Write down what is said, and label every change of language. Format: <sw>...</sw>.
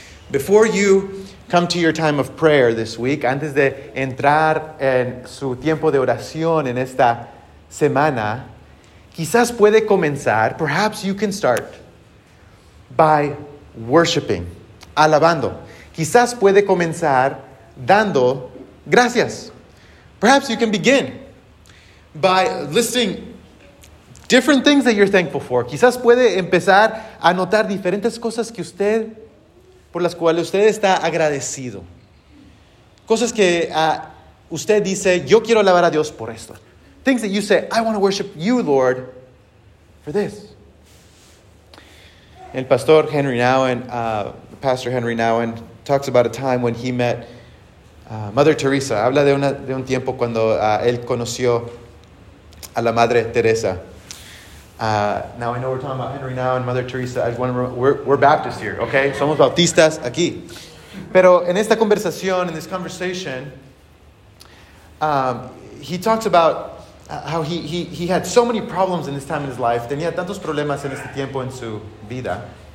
<en>Before you come to your time of prayer this week,</en> <es>antes de entrar en su tiempo de oración en esta semana, quizás puede comenzar,</es> <en>perhaps you can start, by worshiping,</en> <es>alabando. Quizás puede comenzar dando gracias.</es> <en>Perhaps you can begin by listing different things that you're thankful for.</en> <es>Quizás puede empezar a notar diferentes cosas que usted, por las cuales usted está agradecido. Cosas que usted dice, yo quiero alabar a Dios por esto.</es> <en>Things that you say, I want to worship you, Lord, for this. El pastor Henry Nouwen, Pastor Henry Nouwen, talks about a time when he met Mother Teresa.</en> <es>Habla de un tiempo cuando él conoció a la Madre Teresa.</es> <en>Now I know we're talking about Henry Nouwen and Mother Teresa. I just want to remember, we're Baptists here, okay?</en> <es>Somos bautistas aquí. Pero en esta conversación,</es> <en>in this conversation, he talks about how he had so many problems in this time in his life.</en> <es>Tenía tantos problemas en este tiempo en su vida.</es>